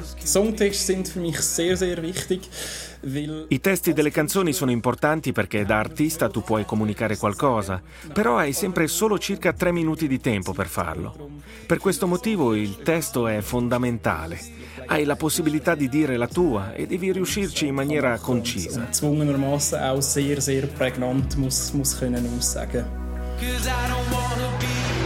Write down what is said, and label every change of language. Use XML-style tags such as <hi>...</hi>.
<de>Songtexte sind für mich sehr, sehr wichtig.</de> <it>I testi delle canzoni sono importanti perché da artista tu puoi comunicare qualcosa, però hai sempre solo circa 3 minuti di tempo per farlo. Per questo motivo il testo è fondamentale. Hai la possibilità di dire la tua e devi riuscirci in maniera concisa.</it> <de>Zwungenermaßen auch sehr, sehr prägnant muss können aussagen.</de> <en>'Cause I don't wanna be.</en>